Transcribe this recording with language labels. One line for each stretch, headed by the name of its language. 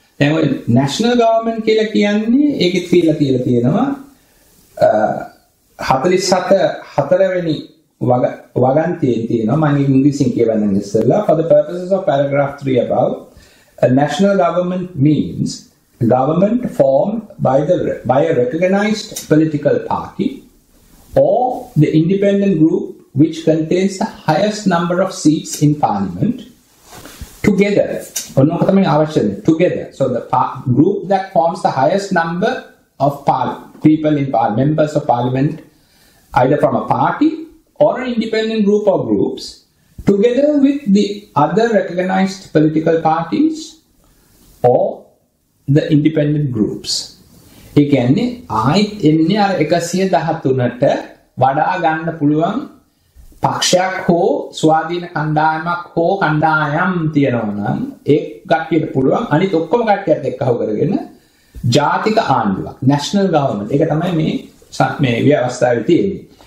Sinhala: දැන් ඔය national government කියලා කියන්නේ ඒකෙත් කියලා තියෙනවා 47-4 වෙනි වගන්තියේ තියෙනවා. මම ඉංග්‍රීසියෙන් කියවන්න ඉස්සෙල්ලා
English: for the purposes of paragraph 3 above a national government means a government formed by a recognized political party or the independent group which contains the highest number of seats in parliament together.
Sinhala: ඔන්නක තමයි අවශ්‍යනේ
English: together. So the group that forms the highest number of people in parliament, members of parliament, either from a party or an independent group of groups, together with the other recognized political parties or the independent groups.
Sinhala: ඒ කියන්නේ ආයිත් එන්නේ අර 113ට වඩා ගන්න පුළුවන් පක්ෂයක් හෝ ස්වාධීන කණ්ඩායමක් හෝ කණ්ඩායම් තියෙනවා නම් ඒක ගැටියට පුළුවන් අනිත් ඔක්කොම ගැටියට එක්කව කරගෙන ජාතික ආණ්ඩුවක් නැෂනල් ගවර්න්මන්ට් ඒක තමයි මේ ව්‍යවස්ථාවේ තියෙන්නේ.